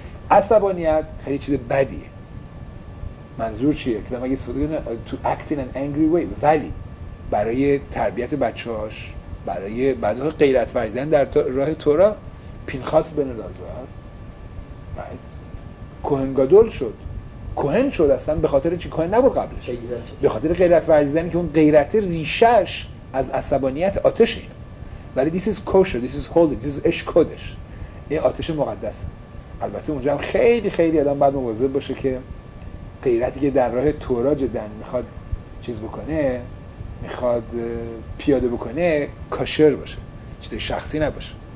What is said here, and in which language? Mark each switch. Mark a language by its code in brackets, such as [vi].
[fa] عصبانیت خیلی چیز بدیه. منظور چیه؟ که مگه استفاده کنه [en] to act in an angry way، [fa] ولی برای تربیت بچه‌هاش، برای بعضی وقت غیرت ورزیدن در راه تورا، پینخاس بن لازار کوهن گادول شد، کوهن شد. اصلا به خاطر چی کوهن نبود قبلش؟ به خاطر غیرت ورزیدنی، که اون غیرت ریشش از عصبانیت آتشه. ولی [en] this is kosher، this is holy، this is ish kodesh، [fa] این آتش مقدسه. البته اونجا هم خیلی خیلی آدم باید مواظب باشه که غیرتی که در راه تورا جدن میخواد چیز بکنه، میخواد پیاده بکنه، کاشر باشه، چیز شخصی نباشه.